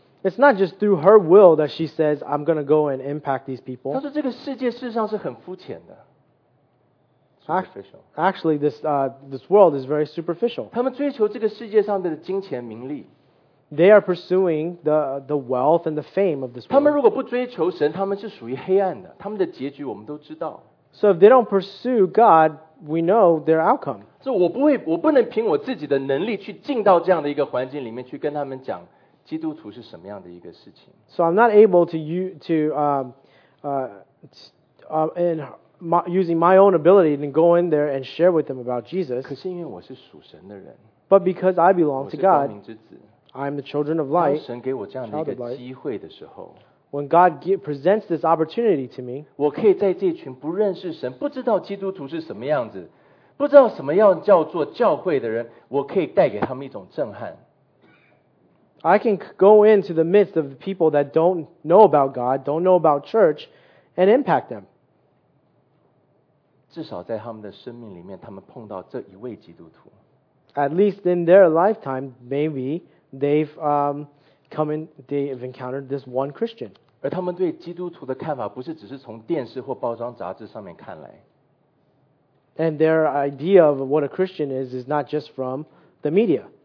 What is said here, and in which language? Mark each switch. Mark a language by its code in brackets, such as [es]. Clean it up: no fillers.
[en] It's not just through her will that she says, I'm going to go and impact these people. [zh] 她说这个世界事实上是很肤浅的。 [en] Actually, this world is very superficial. [zh] 她们追求这个世界上的金钱名利。 [en] They are pursuing the wealth and the fame of this world. [zh] 他们如果不追求神，他们是属于黑暗的。他们的结局我们都知道。 [en] So if they don't pursue God, we know their outcome. [zh] 所以我不能凭我自己的能力去进到这样的一个环境里面去跟他们讲基督徒是什么样的一个事情。 [en] So I'm not able to using my own ability to go in there and share with them about Jesus. [zh] 可是因为我是属神的人。 [en] But because I belong to God. [zh] 我是光明之子。 [en] I'm the children of light. [zh] 当神给我这样的一个机会的时候, [en] when God presents this opportunity to me, [zh] 我可以在这群不认识神，不知道基督徒是什么样子, 不知道什么样叫做教会的人, 我可以带给他们一种震撼。 [en] I can go into the midst of people that don't know about God, don't know about church, and impact them. [zh] 至少在他们的生命里面，他们碰到这一位基督徒。 [en] At least in their lifetime, maybe. They've encountered this one Christian. [zh] 而他们对基督徒的看法不是只是从电视或包装杂志上面看来。 [en] And their idea of what a Christian is not just from the media.